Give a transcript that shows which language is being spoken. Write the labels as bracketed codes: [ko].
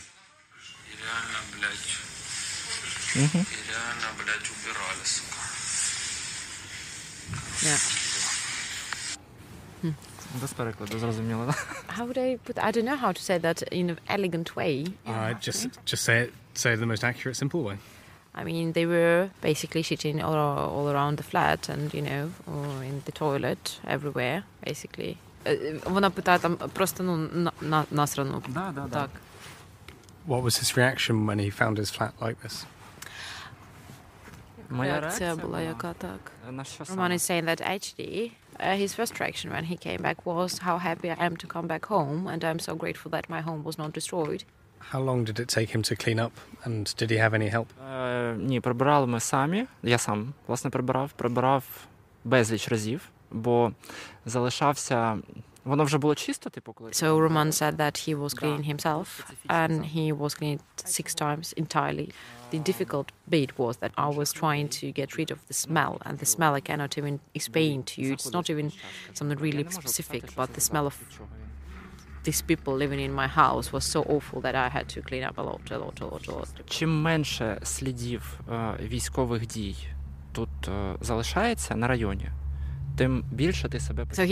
[en] How would I put that? I don't know how to say that in an elegant way. Just say it. Say the most accurate, simple way. I mean, they were basically shitting all around the flat and, you know, in the toilet, everywhere, basically. [uk] Вона питає там просто, ну, насрано. Да, да, да. [en] What was his reaction when he found his flat like this? [uk] Реакція була яка так. [en] Роман is saying that actually his first reaction when he came back was how happy I am to come back home and I'm so grateful that my home was not destroyed. How long did it take him to clean up and did he have any help? [uk] Ні, прибирали ми самі. Я сам, власне, прибирав безліч разів, бо залишався. Воно вже було чисто, типу, коли. [en] So Roman said that he was cleaning himself and he was cleaning six times entirely. The difficult bit was that I was trying to get rid of the smell, and the smell I cannot even explain to you. It's not even something really specific, but the smell of these people living in my house was so awful that I had to clean up a lot. [uk] Чим менше слідів військових дій тут залишається на районі, тим більше ти себе почуваєш.